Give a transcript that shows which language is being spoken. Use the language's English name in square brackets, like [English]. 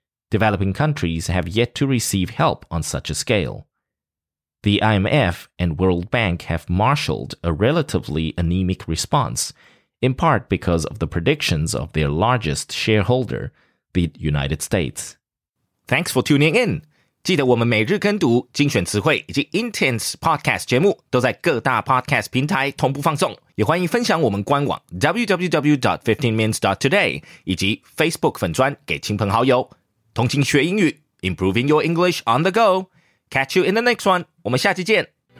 [English] Developing countries have yet to receive help on such a scale. The IMF and World Bank have marshaled a relatively anemic response, in part because of the predictions of their largest shareholder, the United States. Thanks for tuning in. [Chinese] 记得我们每日跟读精选词汇以及 Intense Podcast 节目都在各大 Podcast 平台同步放送。也欢迎分享我们官网 www.15minutes.today 以及 Facebook 粉专给亲朋好友。同情学英语 [English] ,improving your English on the go.Catch you in the next one. [Chinese] 我们下期见。